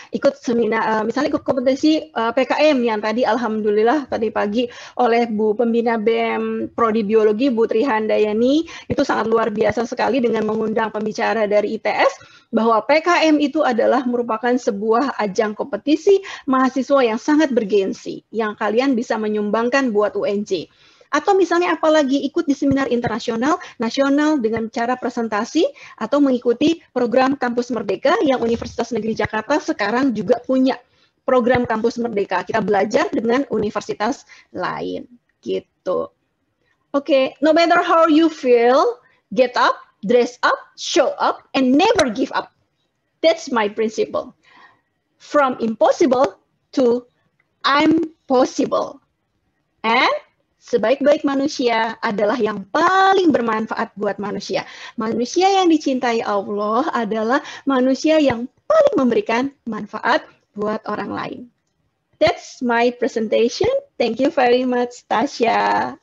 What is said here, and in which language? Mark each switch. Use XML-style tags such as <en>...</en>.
<id>Ikut seminar, misalnya ikut kompetisi PKM yang tadi alhamdulillah tadi pagi oleh Bu Pembina BEM Prodi Biologi Bu Tri Handayani itu sangat luar biasa sekali dengan mengundang pembicara dari ITS bahwa PKM itu adalah merupakan sebuah ajang kompetisi mahasiswa yang sangat bergensi yang kalian bisa menyumbangkan buat UNJ. Atau misalnya apalagi ikut di seminar internasional, nasional dengan cara presentasi atau mengikuti program Kampus Merdeka yang Universitas Negeri Jakarta sekarang juga punya program Kampus Merdeka. Kita belajar dengan universitas lain. Gitu.</id> <en>Oke, no matter how you feel, get up, dress up, show up, and never give up. That's my principle. From impossible to I'm possible.</en> <id>And sebaik-baik manusia adalah yang paling bermanfaat buat manusia. Manusia yang dicintai Allah adalah manusia yang paling memberikan manfaat buat orang lain.</id> <en>That's my presentation. Thank you very much, Tasya.</en>